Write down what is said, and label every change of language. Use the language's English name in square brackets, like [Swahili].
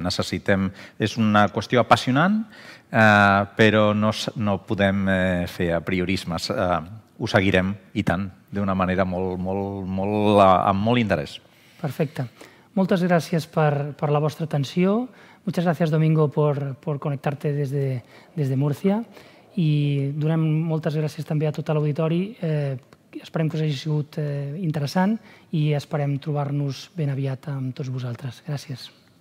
[Catalan] Necessitem, és una qüestió apassionant, però no podem fer apriorismes. Ho seguirem, i tant, d'una manera molt amb molt interès. Perfecte. Moltes gràcies per la vostra atenció. [Spanish] Muchas gracias, Domingo, por conectarte desde Murcia. [Catalan] Y donem moltes gràcies també a tot l'auditori. Esperem que us hagi sigut interessant i esperem trobar-nos ben aviat amb tots vosaltres. Gràcies.